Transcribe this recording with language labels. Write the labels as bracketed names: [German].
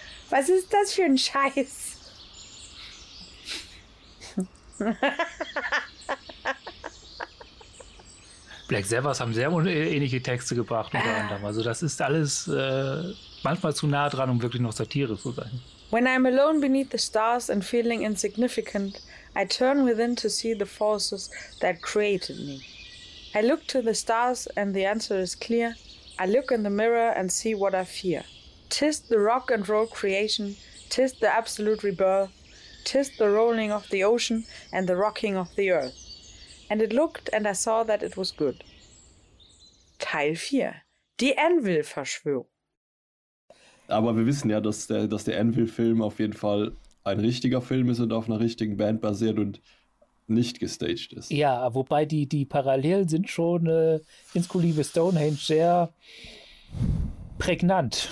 [German] Was ist das für ein Scheiß? Black Sabbath haben sehr ähnliche Texte gebracht unter anderem. Also das ist alles manchmal zu nah dran, um wirklich noch Satire zu sein. [English] When I'm alone beneath the stars and feeling insignificant, I turn within to see the forces that created me. I look to the stars and the answer is clear. I look in the mirror and see what I fear. Tis the rock and roll creation, tis the absolute rebirth, tis the rolling of the ocean and the rocking of the earth. And it looked and I saw that it was good. [German] Teil 4. Die Anvil-Verschwörung. Aber wir wissen ja, dass der Anvil-Film auf jeden Fall ein richtiger Film ist und auf einer richtigen Band basiert und nicht gestaged ist. Ja, wobei die Parallelen sind schon ins Kulive Stonehenge sehr prägnant.